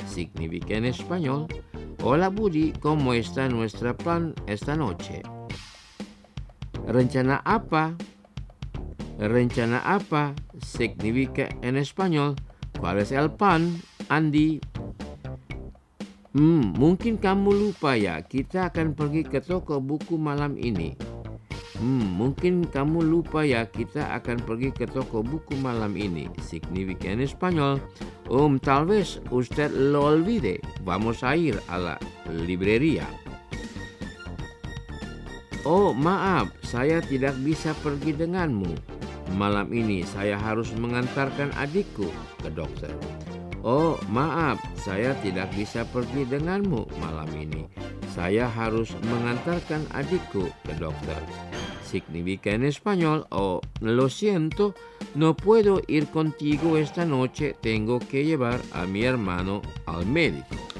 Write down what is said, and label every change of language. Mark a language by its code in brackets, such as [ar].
[es] Significa en español. Hola Buddy, ¿cómo está nuestro plan esta noche? [id] Rencana apa? Rencana apa [es] significa en español ¿cuál es el plan, Andy? [id] Mungkin kamu lupa ya, kita akan pergi ke toko buku malam ini. Mungkin kamu lupa ya, kita akan pergi ke toko buku malam ini. [es] Significa en español. Tal vez usted lo olvide. Vamos a ir a la librería. [id] Oh, maaf, saya tidak bisa pergi denganmu. Malam ini saya harus mengantarkan adikku ke dokter. Oh, maaf, saya tidak bisa pergi denganmu malam ini. Saya harus mengantarkan adikku ke dokter. [es] Significa en español, lo siento, no puedo ir contigo esta noche, tengo que llevar a mi hermano al médico.